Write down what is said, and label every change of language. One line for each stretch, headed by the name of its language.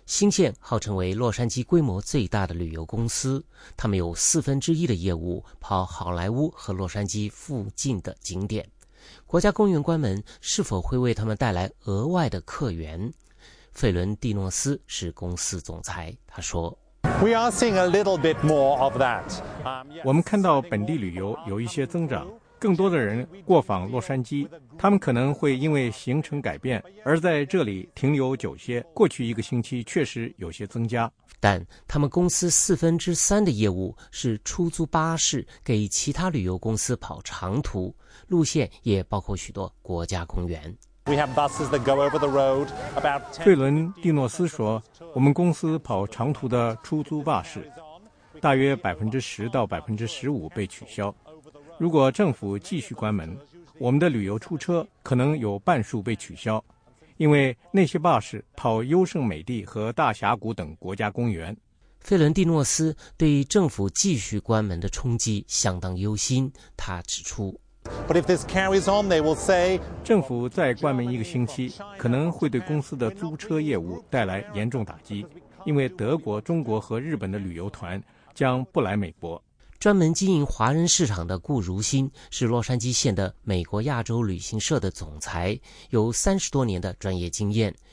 Chinese: 新建号称为洛杉矶规模最大的旅游公司，他们有四分之一的业务跑好莱坞和洛杉矶附近的景点。国家公园关门是否会为他们带来额外的客源？费伦蒂诺斯是公司总裁，他说，
English: We are seeing a little bit more of that.
Chinese: 我们看到本地旅游有一些增长，更多的人过访洛杉矶，他们可能会因为行程改变而在这里停留久些，过去一个星期确实有些增加。但他们公司四分之三的业务是出租巴士给其他旅游公司跑长途，路线也包括许多国家公园。
English: We have buses that go over the road.
Chinese: 费伦蒂诺斯说，我们公司跑长途的出租巴士大约10%-15%被取消。如果政府继续关门，我们的旅游出车可能有半数被取消，因为那些巴士跑优胜美地和大峡谷等国家公园。费伦蒂诺斯对政府继续关门的冲击相当忧心，他指出，
English: But if this carries on, they will say,
Chinese: 政府再关门一个星期，可能会对公司的租车业务带来严重打击，因为德国、中国和日本的旅游团将不来美国。专门经营华人市场的顾如新是洛杉矶县的美国亚洲旅行社的总裁，有30多年的专业经验。